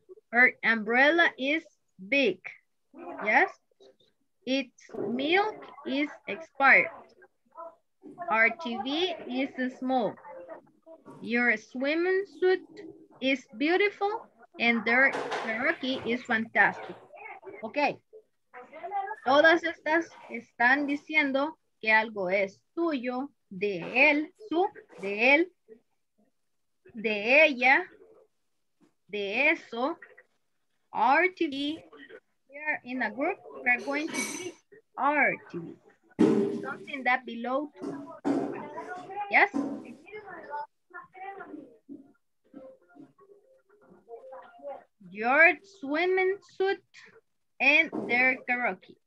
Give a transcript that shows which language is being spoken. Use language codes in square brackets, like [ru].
[en] Her umbrella is big. Yes, its milk is expired. Our TV is small. Your swimming suit is beautiful and their karaoke is fantastic. Okay. [es] Todas estas están diciendo que algo es tuyo, de él, su, de él, de ella, de eso. [en] Our TV, we are in a group, we are going to be our TV. Something that below to. Yes? Your swimming suit and their karaoke.